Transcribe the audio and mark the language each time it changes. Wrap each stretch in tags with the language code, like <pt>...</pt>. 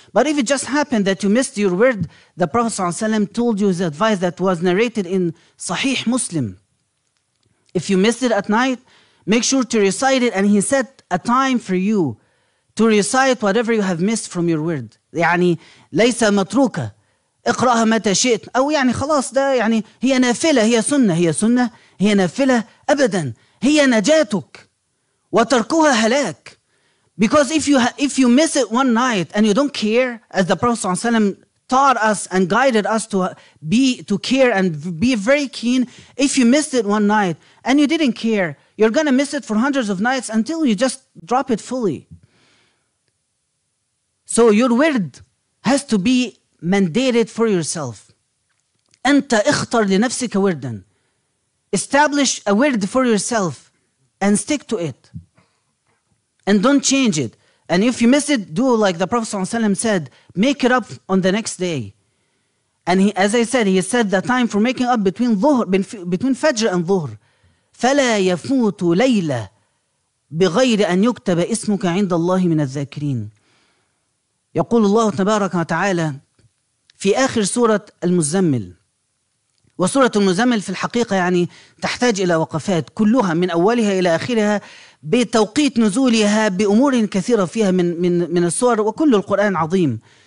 <en>But if it just happened that you missed your word, the Prophet ﷺ told you his advice that was narrated in Sahih Muslim. If you missed it at night, make sure to recite it, and he set a time for you to recite whatever you have missed from your word.</en> <ar>يعني ليس متروكة اقرأها متى شئت أو يعني خلاص ده يعني هي نافلة هي سنة هي نافلة أبدا، هي نجاتك وتركها هلاك.</ar> <en>Because if you miss it one night and you don't care, as the Prophet</en> <ar>صلى الله عليه وسلم</ar> <en>taught us and guided us to care and be very keen, if you missed it one night and you didn't care, you're gonna miss it for hundreds of nights until you just drop it fully. So your wird has to be mandated for yourself.</en> <ar>أنت اختر لنفسك وردا.</ar> <en>Establish a word for yourself and stick to it. And don't change it. And if you miss it, do like the Prophet ﷺ said, make it up on the next day. And he, as I said, he said the time for making up between ظهر, between Fajr and ظهر.</en> <ar>فلا يفوت ليلة بغير أن يكتب اسمك عند الله من الذاكرين. يقول الله تبارك وتعالى في آخر سورة المزمل. وسورة المزمل في الحقيقة يعني تحتاج إلى وقفات كلها من أولها إلى آخرها بتوقيت نزولها بأمور كثيرة فيها من السور، وكل القرآن عظيم.</ar>